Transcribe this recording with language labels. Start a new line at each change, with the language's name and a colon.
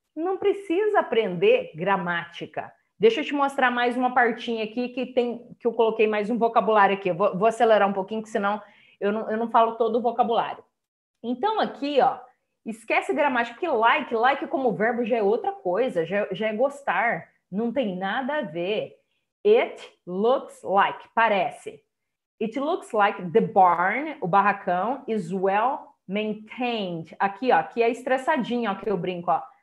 Portuguese: Não precisa aprender gramática. Deixa eu te mostrar mais uma partinha aqui que eu coloquei mais um vocabulário aqui. Vou acelerar um pouquinho, que senão eu não falo todo o vocabulário. Então aqui, ó, esquece gramática, porque like como verbo já é outra coisa, já é gostar. Não tem nada a ver.
English: It looks like,
Portuguese: parece.
English: It looks like the barn,
Portuguese: o barracão,
English: is well maintained.
Portuguese: Aqui, ó, aqui é estressadinho, ó, que eu brinco, ó.